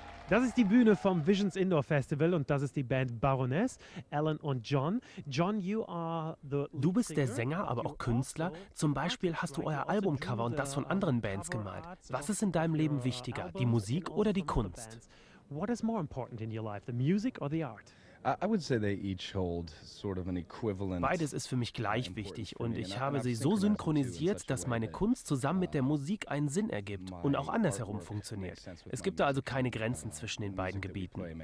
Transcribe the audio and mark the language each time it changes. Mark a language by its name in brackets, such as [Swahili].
[German] Das ist die Bühne vom Visions Indoor Festival und das ist die Band Baroness, Alan und John. [English] John, you are the [German] du bist der Sänger, aber auch Künstler. Zum Beispiel hast du euer Albumcover und das von anderen Bands gemalt. Was ist in deinem Leben wichtiger, die Musik oder die Kunst? [English] What is more important in your life, the music or the art? I would say they each hold sort of an equivalent. [German] Beides ist für mich gleich wichtig und ich habe sie so synchronisiert, dass meine Kunst zusammen mit der Musik einen Sinn ergibt und auch andersherum funktioniert. Es gibt da also keine Grenzen zwischen den beiden Gebieten.